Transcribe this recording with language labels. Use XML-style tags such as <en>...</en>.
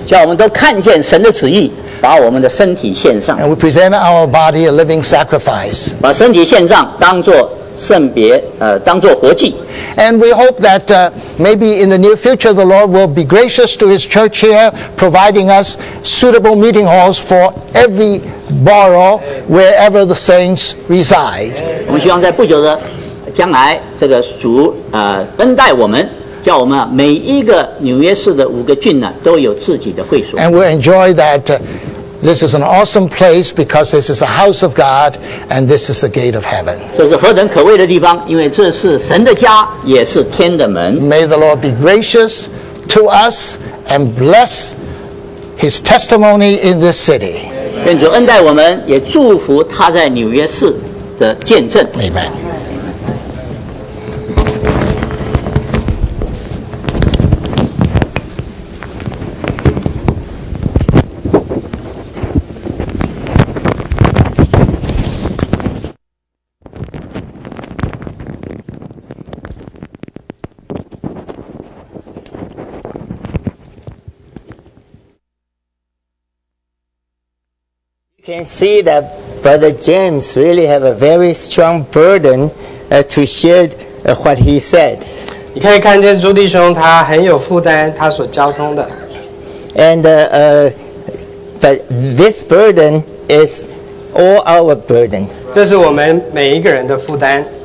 <zh>叫我们都看见神的旨意，把我们的身体献上。</zh> <en>And we present our body a living sacrifice.</en> <zh>把身体献上，当作圣别，当作活祭。</zh> <en>And we hope that maybe in the near future the Lord will be gracious to His church here, providing us suitable meeting halls for every borough wherever the saints reside.</en> <zh>我们希望在不久的将来，这个主恩待我们，叫我们每一个纽约市的五个郡呢，都有自己的会所。</zh> <en>And we enjoy that this is an awesome place because this is a house of God and this is the gate of heaven.</en> <zh>这是何等可畏的地方，因为这是神的家，也是天的门。</zh> <en>May the Lord be gracious to us and bless His testimony in this city.</en> <zh>愿主恩待我们，也祝福他在纽约市的见证。</zh> <en>Amen. Can see that Brother James really have a very strong burden to share what he said.</en> <zh>你可以看见朱弟兄他很有负担，他所交通的。</zh> <en>And but this burden is all our burden.</en> <zh>这是我们每一个人的负担。</zh>